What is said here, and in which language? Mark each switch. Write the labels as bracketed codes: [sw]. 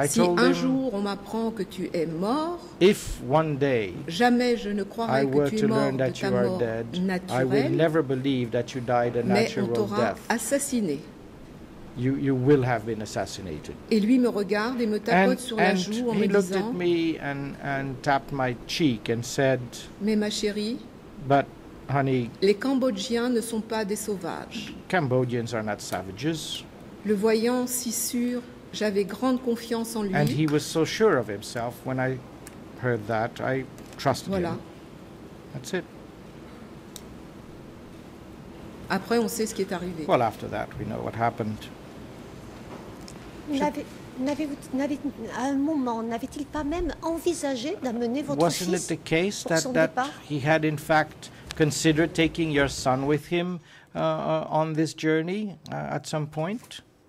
[fr] Si un jour on m'apprend que tu es mort, [en] if one day [fr] jamais je ne croirai que tu es mort de ta mort dead, naturelle, [en] I will never believe that you died a natural death. [fr] Mais on t'aura assassiné. [en] You will have been assassinated. [fr] Et lui me regarde et me tapote sur la joue en me disant, [en] he looked at me and tapped my cheek and said, [fr] mais ma chérie, [en] but honey, [fr] les Cambodgiens ne sont pas des sauvages. [en] Cambodians are not savages. [fr] Le voyant si sûr, j'avais grande confiance en lui. [en] And he was so sure of himself when I heard that, I trusted [fr] voilà. [en] him. That's it. [fr] Après, on sait ce qui est arrivé. [en] Well, after that, we know what happened. [fr] À un moment, n'avait-il pas même envisagé d'amener votre fils pour son départ? [en] Wasn't it the case that he had in fact considered taking your son with him on this journey at some point?